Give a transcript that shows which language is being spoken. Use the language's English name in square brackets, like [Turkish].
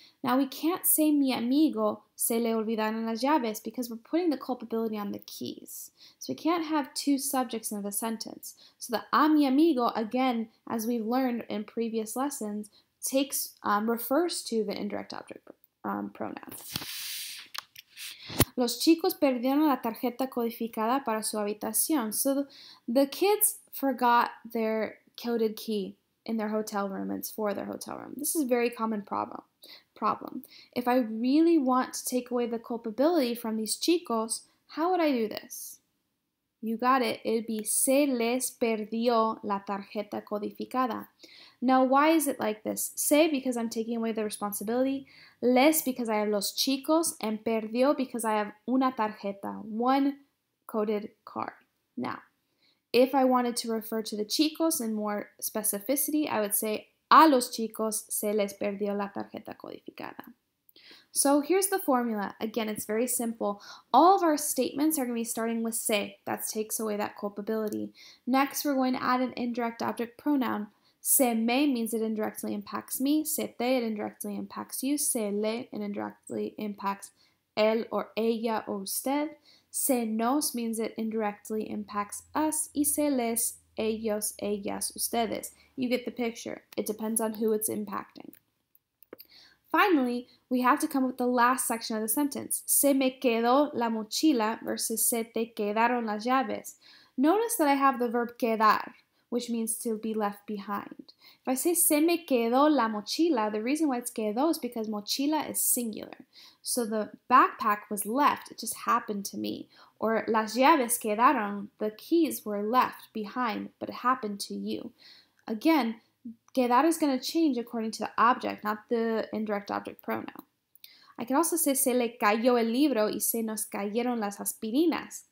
[English] Now we can't say [Spanish] mi amigo se le olvidaron las llaves [English] because we're putting the culpability on the keys. So we can't have two subjects in the sentence. So the [Spanish] a mi amigo, [English] again, as we've learned in previous lessons, refers to the indirect object pronoun. [Spanish] Los chicos perdieron la tarjeta codificada para su habitación. [English] So the kids forgot their coded key in their hotel room, and it's for their hotel room. This is a very common problem. If I really want to take away the culpability from these chicos, how would I do this? You got it. It'd be [Spanish] se les perdió la tarjeta codificada. [English] Now, why is it like this? Se, because I'm taking away the responsibility. Les, because I have los chicos. And perdió, because I have una tarjeta, one coded card. Now, if I wanted to refer to the chicos in more specificity, I would say, [Spanish] a los chicos se les perdió la tarjeta codificada. [English] So here's the formula. Again, it's very simple. All of our statements are going to be starting with se. That takes away that culpability. Next, we're going to add an indirect object pronoun. Se me means it indirectly impacts me. Se te, it indirectly impacts you. Se le, it indirectly impacts él or ella or usted. Se nos means it indirectly impacts us. [Spanish] Y se les, ellos, ellas, ustedes. [English] You get the picture. It depends on who it's impacting. Finally, we have to come with the last section of the sentence. [Spanish] Se me quedó la mochila versus se te quedaron las llaves. [English] Notice that I have the verb quedar, which means to be left behind. If I say [Spanish] se me quedó la mochila, [English] the reason why it's quedó is because mochila is singular. So the backpack was left, it just happened to me. Or [Spanish] las llaves quedaron, [English] the keys were left behind, but it happened to you. Again, que that is going to change according to the object, not the indirect object pronoun. I can also say, [Spanish] se le cayó el libro y se nos cayeron las aspirinas.